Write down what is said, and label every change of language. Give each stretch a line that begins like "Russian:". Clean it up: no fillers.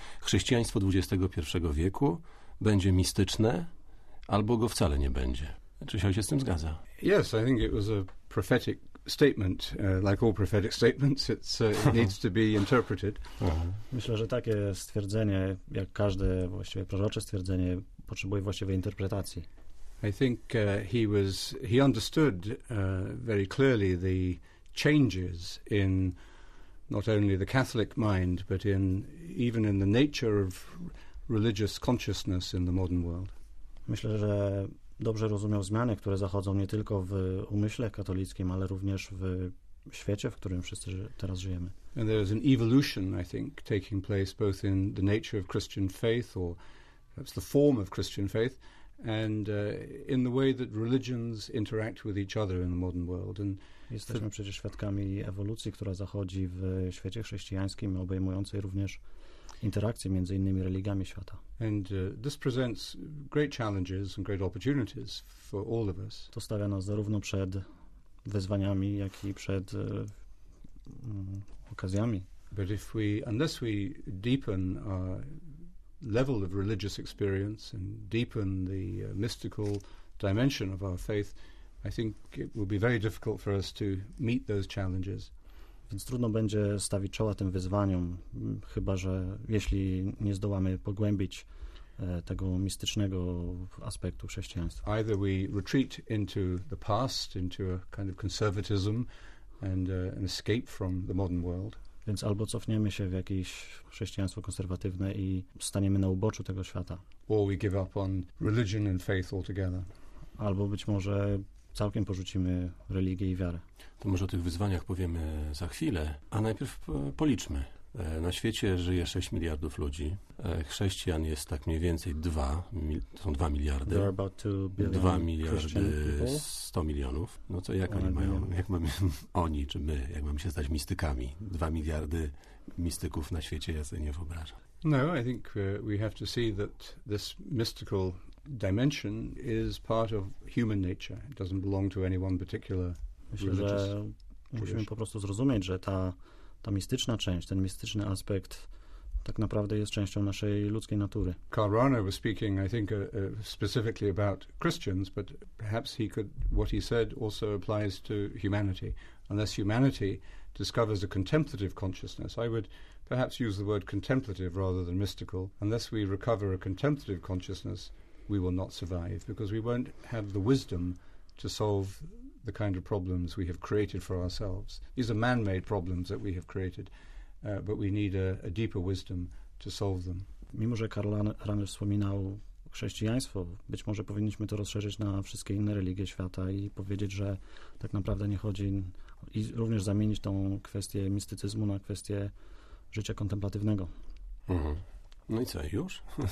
Polish: Chrześcijaństwo XXI wieku będzie mistyczne, albo go wcale nie będzie. Czy się z tym zgadza?
English: Yes, I think it was a prophetic statement, like all prophetic statements, it needs to be interpreted.
Polish: Myślę, że takie stwierdzenie, jak każde właściwie prorocze stwierdzenie, potrzebuje właściwej interpretacji.
English: I think he understood very clearly the changes in not only the Catholic mind, but even in the nature of religious consciousness in the modern world.
Polish: Myślę, że dobrze rozumiał zmiany, które zachodzą nie tylko w umyśle katolickim, ale również w świecie, w którym wszyscy teraz żyjemy.
English: And there is an evolution, I think, taking place both in the nature of Christian faith, or perhaps the form of Christian faith, and in the way that religions interact with each other in the modern world. And
Polish: jesteśmy przecież świadkami ewolucji, która zachodzi w świecie chrześcijańskim, obejmującej również interakcje między innymi religiami świata.
English: And this presents great challenges and great opportunities for all of us.
Polish: To stawia nas zarówno przed wyzwaniami, jak i przed okazjami.
English: But if we, unless we deepen our level of religious experience and deepen the mystical dimension of our faith, I think it will be very difficult for us to meet those challenges.
Polish: Więc trudno będzie stawić czoła tym wyzwaniom, chyba że jeśli nie zdołamy pogłębić tego mistycznego aspektu chrześcijaństwa.
English: Either we retreat into the past, into a kind of conservatism and an escape from the modern world.
Polish: Więc albo cofniemy się w jakieś chrześcijaństwo konserwatywne i staniemy na uboczu tego świata.
English: Or we give up on religion and faith altogether.
Polish: Albo być może całkiem porzucimy religię i wiarę. To może o tych wyzwaniach powiemy za chwilę, a najpierw policzmy. Na świecie żyje 6 miliardów ludzi. Chrześcijan jest tak mniej więcej 2, to są 2 miliardy.
English: There are about 2 billion
Polish: 2 miliardy 100 milionów. No to jak oni mają, jak mamy oni czy my, jak mamy się stać mistykami? 2 miliardy mistyków na świecie, ja sobie nie wyobrażam.
English: No, I think we have to see that this mystical dimension is part of human nature. It doesn't belong to any one particular religious.
Polish: Myślę, że musimy po prostu zrozumieć, że ta mistyczna część, ten mistyczny aspekt tak naprawdę jest częścią naszej ludzkiej natury.
English: Karl Rahner was speaking, I think, specifically about Christians, but perhaps he could, what he said also applies to humanity. Unless humanity discovers a contemplative consciousness, I would perhaps use the word contemplative rather than mystical. Unless we recover a contemplative consciousness, we will not survive, because we won't have the wisdom to solve the kind of problems we have created for ourselves. These are man-made problems that we have created, but we need a deeper wisdom to solve them.
Polish: Mimo że Karl Rahner wspominał chrześcijaństwo, być może powinniśmy to rozszerzyć na wszystkie inne religie świata i powiedzieć, że tak naprawdę nie chodzi, i również zamienić tą kwestię mistycyzmu na kwestię życia kontemplatywnego. No i co, już?